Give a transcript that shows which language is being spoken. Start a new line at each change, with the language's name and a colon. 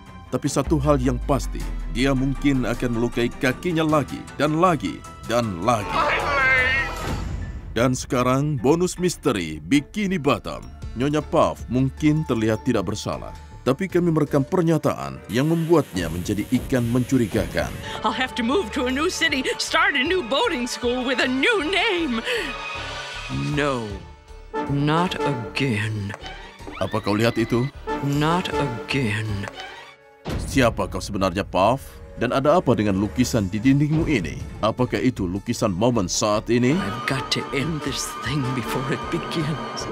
Indonesian: Tapi satu hal yang pasti, dia mungkin akan melukai kakinya lagi dan lagi dan lagi. Dan sekarang bonus misteri Bikini Bottom. Nyonya Puff mungkin terlihat tidak bersalah. Tapi kami merekam pernyataan yang membuatnya menjadi ikan mencurigakan.
English: I'll have to move to a new city, start a new boating school with a new name. No, not again.
Indonesian: Apa kau lihat itu?
English: Not again.
Indonesian: Siapa kau sebenarnya, Puff? Dan ada apa dengan lukisan di dindingmu ini? Apakah itu lukisan momen saat ini?
English: I've got to end this thing before it begins.